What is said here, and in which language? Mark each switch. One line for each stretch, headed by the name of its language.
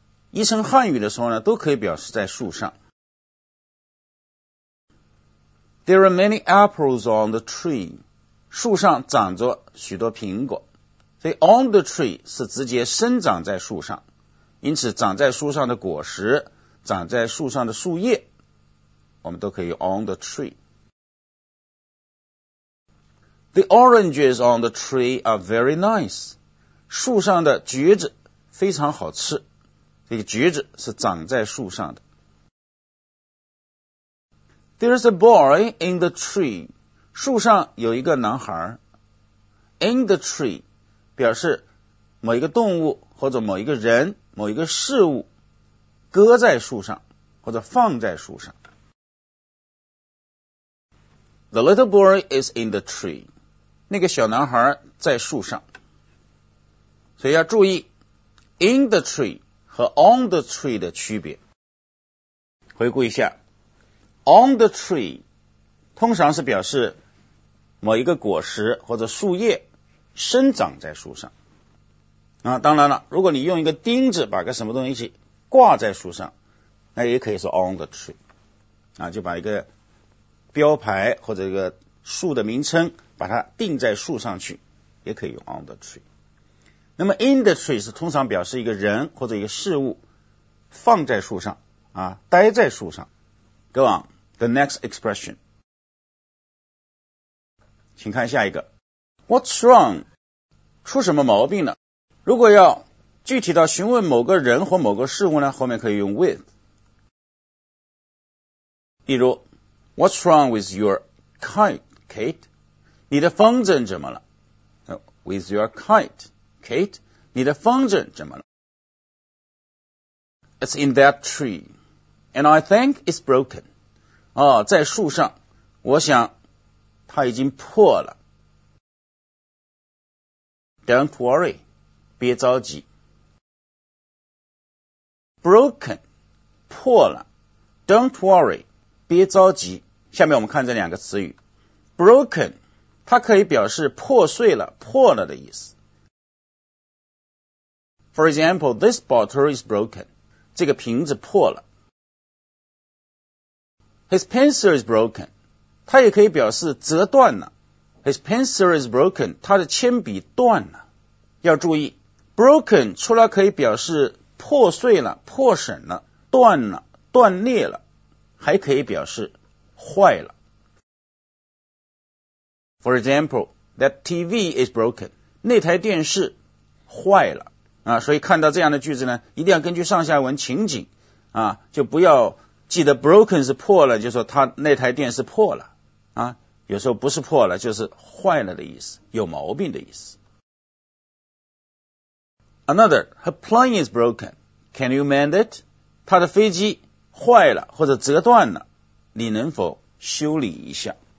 Chinese: 一声汉语的时候呢，都可以表示在树上。
English: There are many apples on the tree.
Chinese: 树上长着许多苹果。所以
English: on the tree
Chinese: 是直接生长在树上。因此长在树上的果实，长在树上的树叶，我们都可以用 on the tree.
English: The oranges on the tree are very nice.
Chinese: 树上的橘子非常好吃。这个橘子是长在树上的。
English: There's a boy in the tree.
Chinese: 树上有一个男孩。
English: In the tree
Chinese: 表示某一个动物或者某一个人某一个事物搁在树上或者放在树上。
English: The little boy is in the tree.
Chinese: 那个小男孩在树上。所以要注意
English: in the tree
Chinese: 和
English: on the tree
Chinese: 的区别。回顾一下。
English: On the tree
Chinese: 通常是表示某一个果实或者树叶生长在树上啊，当然了，如果你用一个钉子把个什么东西挂在树上，那也可以说
English: on the tree
Chinese: 啊，就把一个标牌或者一个树的名称把它钉在树上去，也可以用 on the tree。那么
English: in the tree
Chinese: 是通常表示一个人或者一个事物放在树上啊，待在树上。
English: Go on, the next expression.
Chinese: 请看下一个。
English: What's wrong?
Chinese: 出什么毛病了？如果要具体到询问某个人或某个事物呢，后面可以用 with。例如
English: What's wrong with your kite, Kate?
Chinese: 你的风筝怎么了？
English: With your kite, Kate?
Chinese: 你的风筝怎么了？
English: It's in that tree. And I think it's broken.
Chinese: 哦，在树上，我想它已经破了。
English: Don't worry,
Chinese: 别着急。
English: Broken,
Chinese: 破了。
English: Don't worry,
Chinese: 别着急。下面我们看这两个词语。Broken, 它可以表示破碎了、破了的意思。
English: For example, this bottle is broken.
Chinese: 这个瓶子破了。
English: His pencil is broken.
Chinese: 它也可以表示折断了。
English: His pencil is broken.
Chinese: 它的铅笔断了。要注意 ,broken 除了可以表示破碎了、破损了、断了、断裂了，还可以表示坏了。
English: For example, that TV is broken.
Chinese: 那台电视坏了。啊，所以看到这样的句子呢，一定要根据上下文情景啊，就不要记得 broken 是破了，就说他那台电视破了。啊，有时候不是破了，就是坏了的意思，有毛病的意思。
English: Another, her plane is broken. Can you mend it?
Chinese: 她的飞机坏了或者折断了，你能否修理一下？